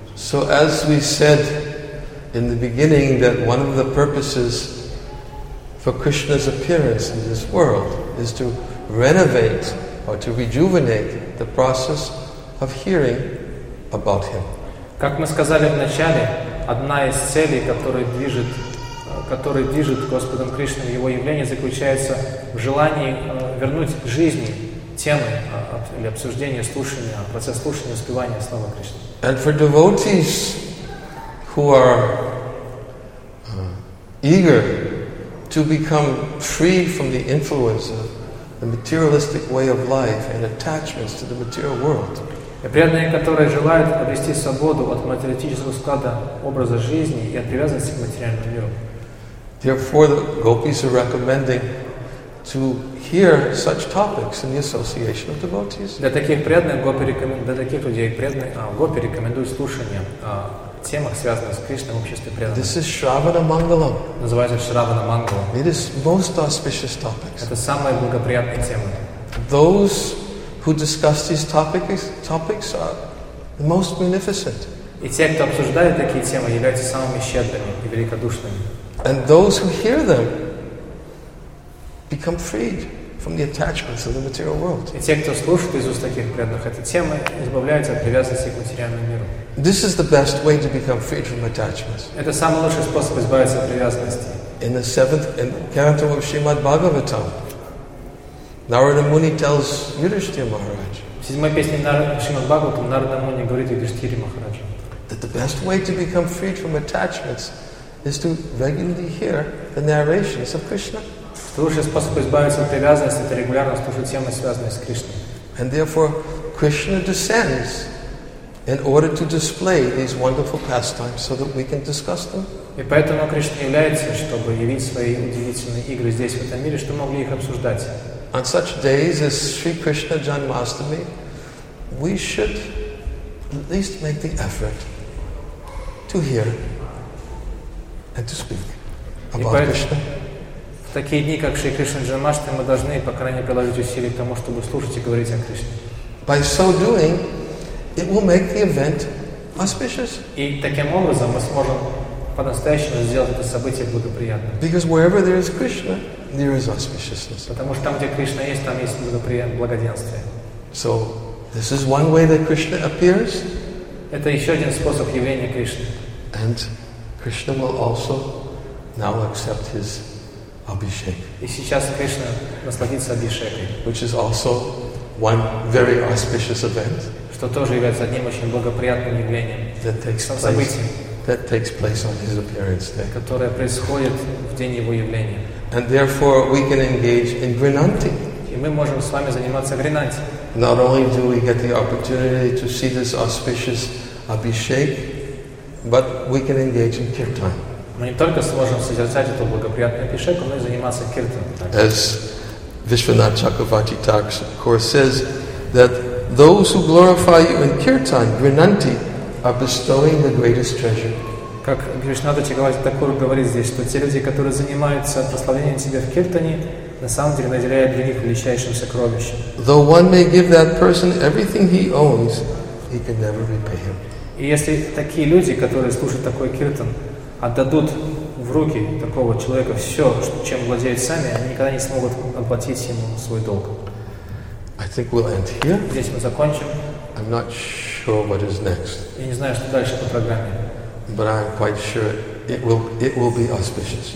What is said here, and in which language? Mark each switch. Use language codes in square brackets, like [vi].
[en] So as we said in the beginning that one of the purposes for Krishna's appearance in this world is to renovate or to rejuvenate the process of hearing about him. [ru] Как мы сказали в начале, одна из целей, которая движет Господом Кришной его явление, заключается в желании вернуть жизни темы или обсуждения, слушания, процесс слушания, успевания слова Кришны. [en] And for devotees who are eager to become free from the influence of the materialistic way of life and attachments to the material world. [ru] И преданные, которые желают обрести свободу от материалистического склада образа жизни и от привязанности к материальному миру. [en] Therefore, the gopis are recommending to hear such topics in the association of devotees. [ru] Для таких преданных гопи рекомендуют слушание темах, связанных с Кришной в обществе преданных. [en] This is Shravana Mangalam. [ru] Называется Shravana Mangalam. [en] It is most auspicious topics. [ru] Это самая благоприятная тема. [en] Those who discuss these topics are the most munificent. [ru] И те, кто обсуждают такие темы, являются самыми щедрыми и великодушными. [en] And those who hear them become freed from the attachments of the material world. [ru] И те, кто слушает из уст таких преданных эти темы, избавляются от привязанности к материальному миру. [en] This is the best way to become freed from attachments. [ru] Это самый лучший способ избавиться от привязанности. [en] In the seventh canto of Srimad Bhagavatam, Narada Muni tells Yudhishthira Maharaj. [ru] В седьмой песне Шримад Бхагаватам Нарада Муни говорит Юдхиштхире Махараджу. [en] That the best way to become freed from attachments is to regularly hear the narrations of Krishna. [ru] Лучший способ избавиться от привязанности — это регулярно слушать темы, связанные с Кришной. [en] And therefore, Krishna descends in order to display these wonderful pastimes so that we can discuss them. [ru] И поэтому Кришна является, чтобы явить свои удивительные игры здесь, в этом мире, чтобы могли их обсуждать. [en] On such days as Sri Krishna Janmashtami, we should at least make the effort to hear and to speak about Krishna. [ru] В такие дни, как Шри Кришна Джанмашта, мы должны, по крайней мере, приложить усилия к тому, чтобы слушать и говорить о Кришне. [en] By so doing, it will make the event auspicious. [ru] И таким образом мы сможем по-настоящему сделать это событие благоприятным. [en] Because wherever there is Krishna, there is auspiciousness. [ru] Потому что там, где Кришна есть, там есть благоденствие. [en] So, this is one way that Krishna appears. [ru] Это еще один способ явления Кришны. [en] And Krishna will also now accept his abhishek. [ru] И сейчас Кришна насладится абхишекой. [en] Which is also one very auspicious event. [ru] Что тоже является одним очень благоприятным явлением. [en] That takes place. That takes place on his appearance day. [ru] Которое происходит в день его явления. [en] And therefore we can engage in grinanti. [ru] И мы можем с вами заниматься гринанти. [en] Not only do we get the opportunity to see this auspicious abhishek, but we can engage in kirtan. [ru] Мы не только сможем созерцать эту благоприятную абхишеку, но и заниматься киртаном. [en] As Vishwanath Chakravarti Thakur of course says that those who glorify you in kirtan, grinanti, are bestowing the greatest treasure. [ru] Как Вишнуда Чакравати Такур говорит здесь, что те люди, которые занимаются прославлением себя в киртане, на самом деле наделяют для них величайшим сокровищем. [en] Though one may give that person everything he owns, he can never repay him. [ru] И если такие люди, которые слушают такой киртан, отдадут в руки такого человека все, чем владеют сами, они никогда не смогут оплатить ему свой долг. [en] I think we'll end here. [ru] Здесь мы закончим. [en] I'm not sure what is next. [ru] Я не знаю, что дальше по программе. [en] But I'm quite sure it will be auspicious.